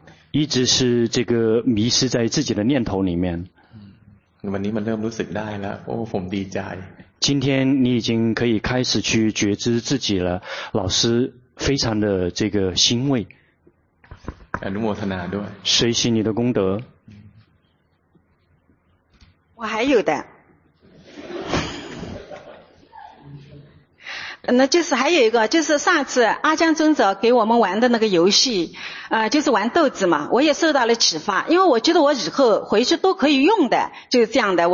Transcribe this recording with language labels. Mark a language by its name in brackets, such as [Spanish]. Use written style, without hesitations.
[Chinese] 一直是这个迷失在自己的念头里面。 [Thai] วันนี้มันเริ่มรู้สึกได้了โอ้ผมดีใจ [Chinese] 今天你已经可以开始去觉知自己了，老师非常的这个欣慰。 [Thai] อนุโมทนาด้วย [Chinese] 随喜你的功德。我还有的，那就是还有一个，就是上次阿姜尊者给我们玩的那个游戏，就是玩豆子嘛，我也受到了启发，因为我觉得我以后回去都可以用的，就是这样的。